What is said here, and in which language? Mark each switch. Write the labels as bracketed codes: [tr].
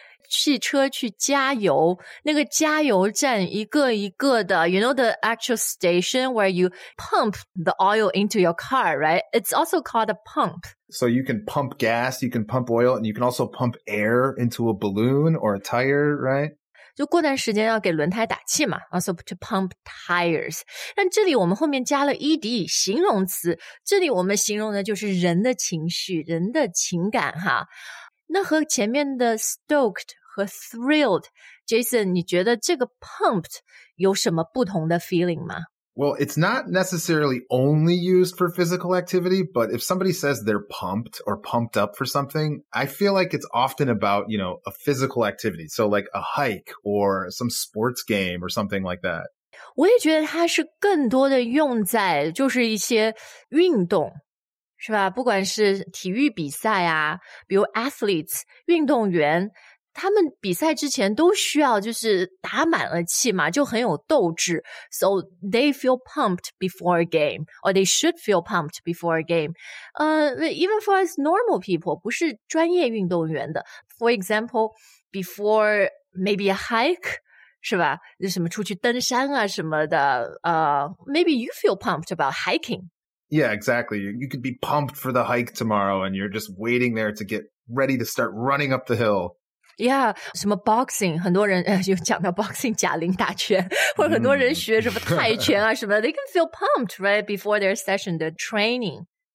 [zh] 汽车去加油那个加油站一个一个的 [en] you know the actual station where you pump the oil into your car, right? It's also called a pump. So you can pump gas, you can pump oil, and you can also pump air into a balloon or a tire, right? [zh] 就过段时间要给轮胎打气嘛 [en] also to pump tires. [zh] 但这里我们后面加了 ED, 形容词这里我们形容的就是人的情绪人的情感哈。那和前面的 stoked 和 thrilled, Jason, 你觉得这个 pumped 有什么不同的 feeling 吗 [en] Well, it's not necessarily only used for physical activity, but if somebody says they're pumped or pumped up for something, I feel like it's often about, you know, a physical activity. So like a hike or some sports game or something like that. [zh] 我也觉得它是更多的用在就是一些运动是吧不管是体育比赛啊比如 athletes, 运动员他们比赛之前都需要就是打满了气嘛，就很有斗志。 [en] So they feel pumped before a game, or they should feel pumped before a game. Even for us normal people, [zh] 不是专业运动员的。 [en] For example, before maybe a hike, 是吧？ [zh] 就什么出去登山啊什么的。 [en] Maybe you feel pumped about hiking. Yeah, exactly. You could be pumped for the hike tomorrow, and you're just waiting there to get ready to start running up the hill. [zh] Yeah, 什么 boxing, 很多人就讲到 boxing, 贾玲打拳或者很多人学什么泰拳啊什么 [en] they can feel pumped, right, before their session, their training.